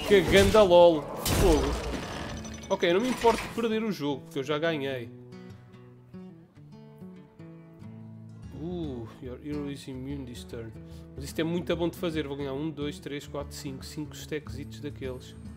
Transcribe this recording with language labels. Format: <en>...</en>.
<pt>Ganda LOL, fogo. Ok, não me importo de perder o jogo, porque eu já ganhei.</pt> <en>Your hero is immune this turn.</en> <pt>Mas isto é muito bom de fazer, vou ganhar 1, 2, 3, 4, 5, 5 stackzitos daqueles.</pt>